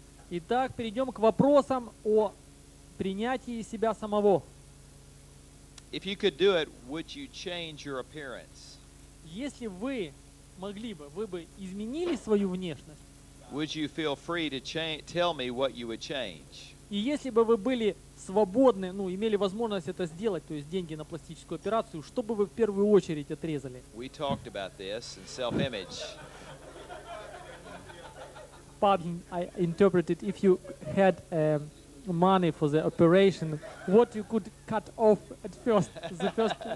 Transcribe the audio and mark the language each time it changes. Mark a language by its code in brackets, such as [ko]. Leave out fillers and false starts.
[ru] Итак, перейдем к вопросам о принятии себя самого. [en] If you could do it, would you change your appearance? [ru] Если вы могли бы, вы бы изменили свою внешность? [en] Would you feel free to tell me what you would change? [ru] И если бы вы были свободны, ну, имели возможность это сделать, то есть деньги на пластическую операцию, что бы вы в первую очередь отрезали? [en] We talked about this in self-image. Pardon, I interpreted, if you had money for the operation, what you could cut off at first, the first...